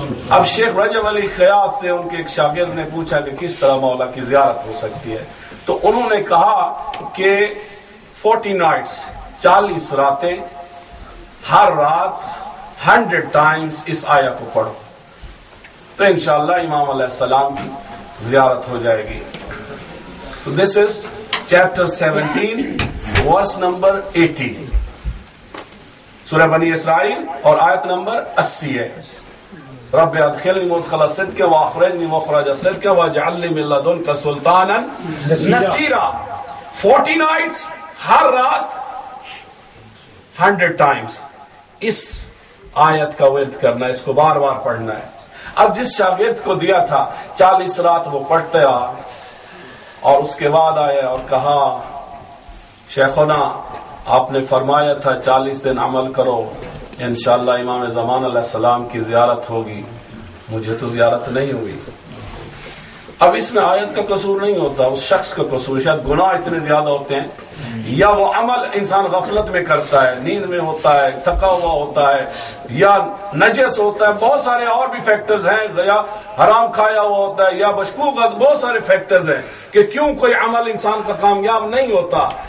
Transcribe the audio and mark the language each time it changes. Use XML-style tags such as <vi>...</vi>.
<hi>अब शेख रजब अली खयात से उनके एक शागिर्द ने पूछा कि किस तरह मौला की जियारत हो सकती है, तो उन्होंने कहा कि</hi> <en>40 nights</en> <hi>40 रातें हर रात 100 टाइम्स इस आया को पढ़ो तो इंशाल्लाह इमाम अलैहिस्सलाम की जियारत हो जाएगी।</hi> <en>this is chapter 17 verse number 80</en> <hi>सूरह बनी इसराइल और आयत नंबर 80 है।</hi> <ar>رب ادخلني مدخل صدق واخرجني مخرج صدق واجعل لي من لدنك سلطانا نصيرا</ar> <en>40 nights</en> <hi>har raat</hi> <en>100 times</en> <hi>is ayat ka wird karna hai, isko bar bar padhna hai. ab jis shagird ko diya tha 40 raat wo padhta tha aur uske baad aaya aur kaha shaykhona aapne farmaya tha 40 din amal karo इंशाअल्लाह इमाम ज़मान अलैहिस्सलाम की ज़ियारत होगी, मुझे तो ज़ियारत नहीं हुई। अब इसमें आयत का कसूर नहीं होता, उस शख्स का कसूर, शायद गुनाह इतने ज्यादा होते हैं या वो अमल इंसान गफलत में करता है, नींद में होता है, थका हुआ होता है या नजस होता है, बहुत सारे और भी फैक्टर्स हैं, या हराम खाया हुआ होता है या बशकूक, बहुत सारे फैक्टर्स हैं कि क्यों कोई अमल इंसान का कामयाब नहीं होता।</hi>